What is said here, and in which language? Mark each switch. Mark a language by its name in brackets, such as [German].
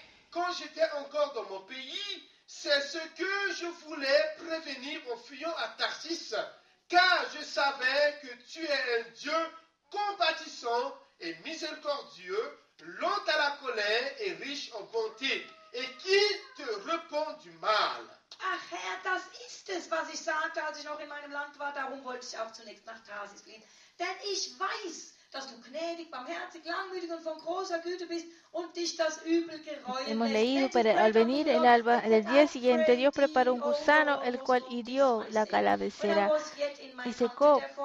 [French] Quand j'étais encore dans mon pays, c'est ce que je voulais prévenir en fuyant à Tarsis, car je savais que tu es un Dieu compatissant et miséricordieux, lent à la colère et riche en bonté, et qui te repent du mal. [German] Ach Herr, das ist es, was ich sagte, als ich noch in meinem Land war, darum wollte ich auch zunächst nach Tarsis gehen, denn ich weiß, dass du gnädig, barmherzig, langmütig und von großer Güte bist und dich das Übel gereuen. [Spanish] Hemos leído, pero al venir el alba del día siguiente, Dios preparó un gusano, el cual hirió la calabacera y secó.